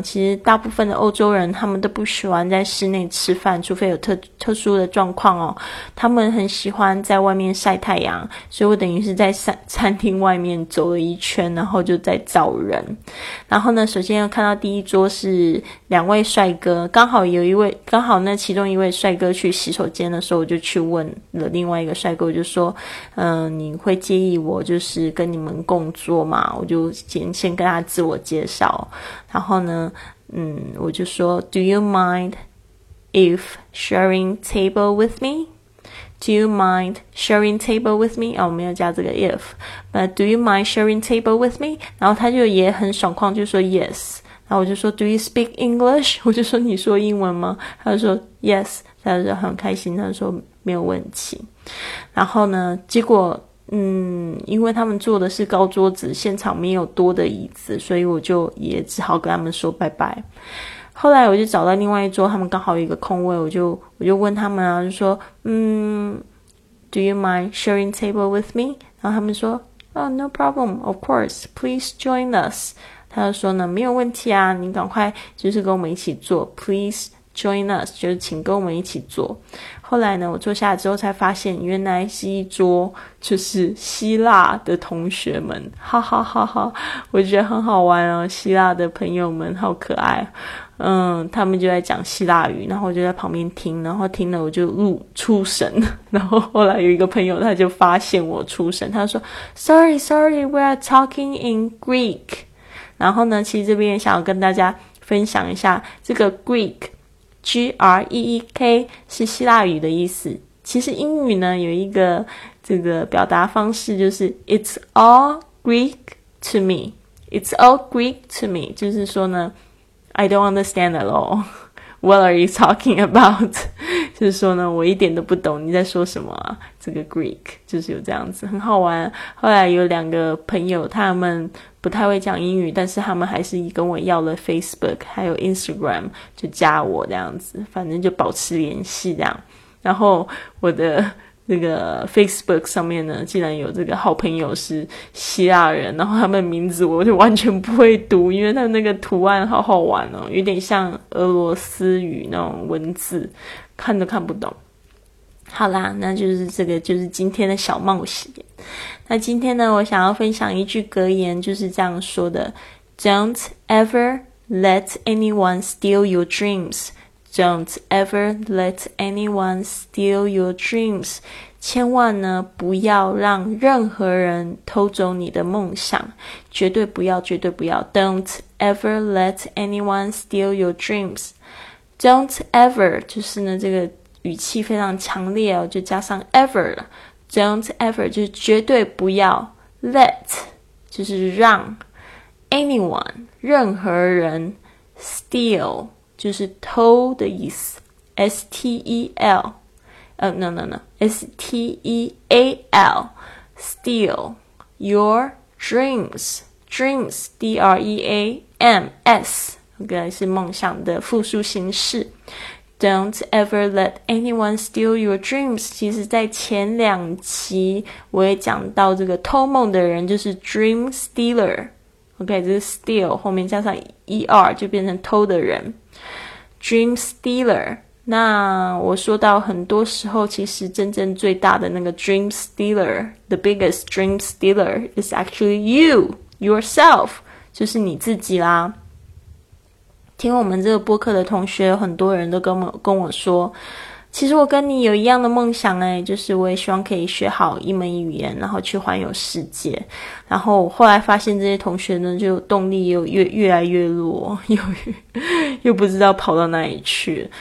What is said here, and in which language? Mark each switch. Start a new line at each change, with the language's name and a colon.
Chinese: 其实大部分的欧洲人他们都不喜欢在室内吃饭，除非有特殊的状况哦，他们很喜欢在外面晒太阳，所以我等于是在餐厅外面走了一圈，然后就在找人。然后呢首先又看到第一桌是2位帅哥，刚好那其中一位帅哥去洗手间的时候，我就去问了另外一个帅哥，我就说你会介意我就是跟你们共桌吗？我就先跟他自我介绍，然后呢我就说
English: Do you mind if sharing table with me? Do you mind sharing table with me?
Chinese: 哦，没有加这个
English: if, but do you mind sharing table with me?
Chinese: 然后他就也很爽快，就说 yes。然后我就说
English: Do you speak English?
Chinese: 我就说你说英文吗？他就说 yes。他就很开心，他就说没有问题。然后呢结果因为他们坐的是高桌子，现场没有多的椅子，所以我就也只好跟他们说拜拜。后来我就找到另外一桌，他们刚好有一个空位，我就问他们啊，就说Do you mind sharing table with me? 然后他们说
English: Oh, no problem, of course, please join us.
Chinese: 他就说呢没有问题啊，你赶快就是跟我们一起坐，
English: please join us,
Chinese: 就是请跟我们一起坐。后来呢我坐下来之后才发现，原来是一桌就是希腊的同学们，哈哈哈哈，我觉得很好玩哦，希腊的朋友们好可爱。他们就在讲希腊语，然后我就在旁边听，然后听了我就入出神。然后后来有一个朋友他就发现我出神，他说
English: Sorry, we are talking in Greek.
Chinese: 然后呢其实这边想要跟大家分享一下这个 GreekGREEK 是希腊语的意思。其实英语呢有一个这个表达方式，就是
English: It's all Greek to me. It's all Greek to me.
Chinese: 就是说呢
English: I don't understand at all. What are you talking about?
Chinese: 就是说呢我一点都不懂你在说什么啊，这个 Greek 就是有这样子，很好玩。后来有两个朋友他们不太会讲英语，但是他们还是跟我要了 Facebook 还有 Instagram, 就加我这样子，反正就保持联系这样。然后我的那个 Facebook 上面呢竟然有这个好朋友是希腊人，然后他们名字我就完全不会读，因为他那个图案好好玩哦，有点像俄罗斯语那种文字，看都看不懂。好啦，那就是这个就是今天的小冒险。那今天呢我想要分享一句格言，就是这样说的，
English: Don't ever let anyone steal your dreams. Don't ever let anyone steal your dreams.
Chinese: 千万呢不要让任何人偷走你的梦想，绝对不要，绝对不要。
English: Don't ever let anyone steal your dreams.
Chinese: Don't ever 就是呢这个语气非常强烈哦，就加上 ever 了。 Don't ever 就是绝对不要， let 就是让 anyone 任何人 steal 就是偷的意思， STEL STEAL steal your dreams. Dreams, DREAMS, 原来是梦想的复数形式。
English: Don't ever let anyone steal your dreams.
Chinese: 其实在前两集我也讲到这个偷梦的人就是 dream stealer. OK, 这是 steal, 后面加上 ER 就变成偷的人。 Dream stealer,那我说到很多时候其实真正最大的那个 dream stealer,
English: the biggest dream stealer is actually you, yourself,
Chinese: 就是你自己啦。听我们这个播客的同学很多人都跟我说，其实我跟你有一样的梦想诶，就是我也希望可以学好一门语言然后去环游世界。然后我后来发现这些同学呢就动力又 越来越弱，又不知道跑到哪里去。